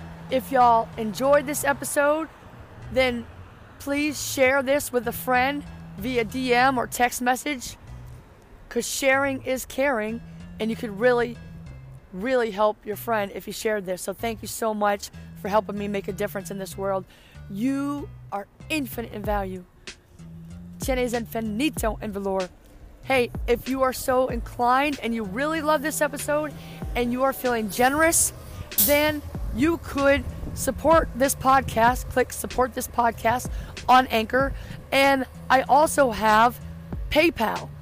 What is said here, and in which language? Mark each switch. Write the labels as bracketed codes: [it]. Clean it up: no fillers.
[en] If y'all enjoyed this episode, then please share this with a friend via DM or text message, because sharing is caring, and you could really, really help your friend if you shared this. So thank you so much for helping me make a difference in this world. You are infinite in value. [es] Tienes infinito en valor. [en] Hey, if you are so inclined and you really love this episode and you are feeling generous, then you could support this podcast. Click support this podcast on Anchor. And I also have PayPal.